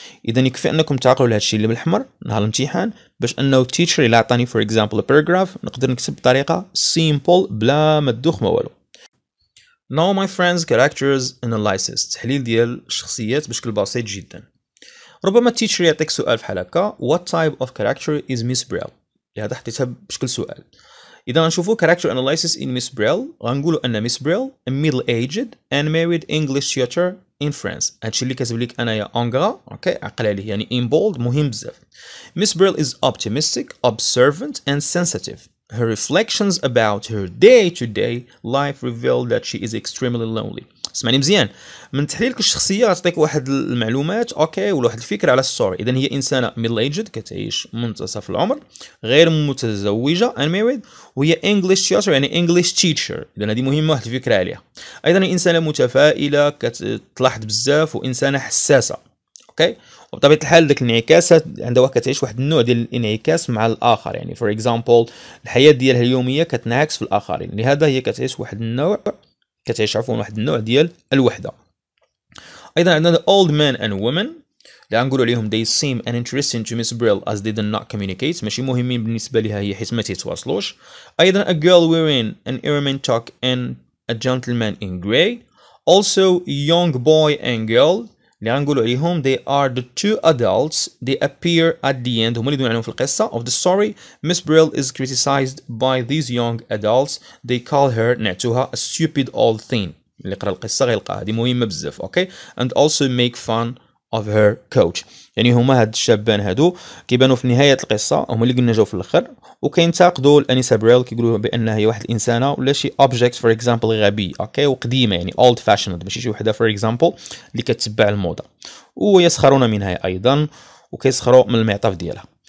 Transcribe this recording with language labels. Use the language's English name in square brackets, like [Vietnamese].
[Arabic] اذا يكفي انكم تعقلوا لهذا الشيء اللي بالاحمر نهار الامتحان، باش انه التيتشر الى عطاني [English] for example paragraph [Arabic] نقدر نكتب بطريقه سيمبل بلا ما تدوخ ما والو. [English] Now my friends, characters analysis، [Arabic] تحليل ديال الشخصيات بشكل بسيط جدا. ربما التيتشر يعطيك سؤال بحال هكا: [English] What type of character is Miss Brill؟ [Arabic] لهذا حطيتها بشكل سؤال. إذا نشوفو [English] character analysis in Miss Brill، [Arabic] غنقولو أن [English] Miss Brill a middle aged and married English tutor in France. [Arabic] هادشي اللي كاتب ليك أنايا أونغرا، أوكي عقل عليه يعني [English] in bold [Arabic] مهم بزاف. [English] Miss Brill is optimistic, observant and sensitive. Her reflections about her day-to-day life reveal that she is extremely lonely. [Arabic] سمعني مزيان، من تحليلك الشخصية غتعطيك واحد المعلومات اوكي ولا واحد الفكرة على الستوري. إذا هي إنسانة [English] middle aged [Arabic] كتعيش منتصف العمر، غير متزوجة [English] unmarried، [Arabic] وهي [English] English teacher [Arabic] يعني English teacher. إذا هذه مهمة واحد الفكرة عليها. أيضا إنسانة متفائلة كتلاحظ بزاف وإنسانة حساسة اوكي. وبطبيعة الحال داك الانعكاس عندها واحد كتعيش واحد النوع ديال الانعكاس مع الآخر، يعني [English] for example [Arabic] الحياة ديالها اليومية كتنعكس في الآخرين، لهذا هي كتعيش واحد النوع كتعيش عفوا واحد النوع ديال الوحدة. أيضا عندنا [English] the old man and woman [Arabic] اللي غنقولوا عليهم [English] they seem uninteresting to Miss Brill as they do not communicate، [Arabic] ماشي مهمين بالنسبة لها هي حيت ما تيتواصلوش. أيضا [English] a girl wearing an ermine tuck and a gentleman in grey. Also young boy and girl [Arabic] اللي غنقولوا عليهم [English] they are the two adults they appear at the end، [Arabic] هما اللي دون عليهم في القصة [English] of the story. Miss Brill is criticized by these young adults they call her [Arabic] نعتوها [English] a stupid old thing، [Arabic] اللي قرأ القصة غيلقاها هذه مهمة بزاف اوكي. [English] And also make fun of her coach، [Arabic] يعني هما هاد الشابان هادو كيبانوا في نهاية القصة هما اللي قلنا جاو في الاخر وكينتقدوا الانسة بريل كيقولوا بانها هي واحد الانسانة ولا شي اوبجيكت فور اكزامبل غبي اوكي وقديمة يعني اولد فاشنود ماشي شي وحدة فور اكزامبل اللي كتبع الموضة، ويسخرون منها ايضا وكيسخروا من المعطف ديالها.